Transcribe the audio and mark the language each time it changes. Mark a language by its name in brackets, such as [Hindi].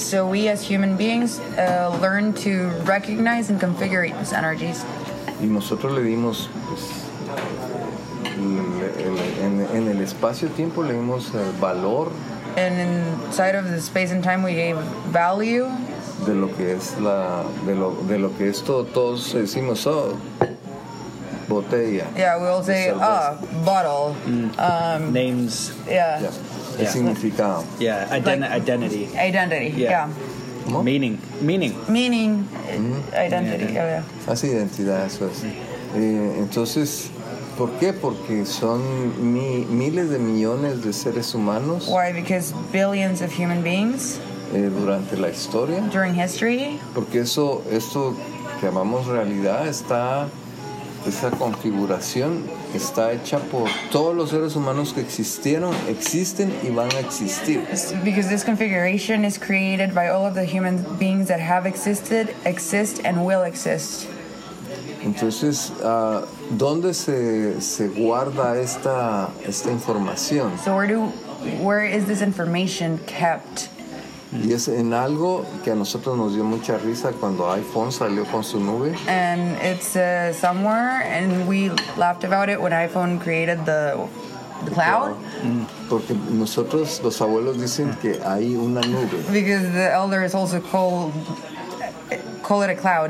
[English] So we as human beings learn to recognize and configure these energies. [Spanish] Y nosotros le dimos pues, en el espacio-tiempo le dimos el valor. [English] And inside of the space and time we gave value. [Spanish] De lo que es la de lo que es todos decimos oh, botella. [English] Yeah, we all say bottle. Mm. Names. Yeah. [Spanish] Yeah. Significado. [English] Yeah, identity. Identity, yeah. [Spanish] ¿Cómo? [English] Meaning. Meaning, mm-hmm. Identity, yeah. [Spanish] Es identidad, eso es. Entonces, ¿por qué? Porque son miles de millones de seres humanos. [English] Why? Because billions of human beings. [Spanish] Durante la historia. [English] During history. [Spanish] Porque esto que llamamos realidad está... Esa configuración está hecha por todos los seres humanos que existieron, existen y van a existir. [English] Because this configuration is created by all of the human beings that have existed, exist, and will exist. [Spanish] Entonces, ¿dónde se guarda esta información? [English] So where do where is this information kept? [Spanish] Y es en algo que a nosotros nos dio mucha risa cuando iPhone salió con su nube. [English] And it's somewhere, and we laughed about it when iPhone created the cloud. [Spanish] Porque nosotros, los abuelos dicen que hay una nube. [English] Because the elders also call it a cloud.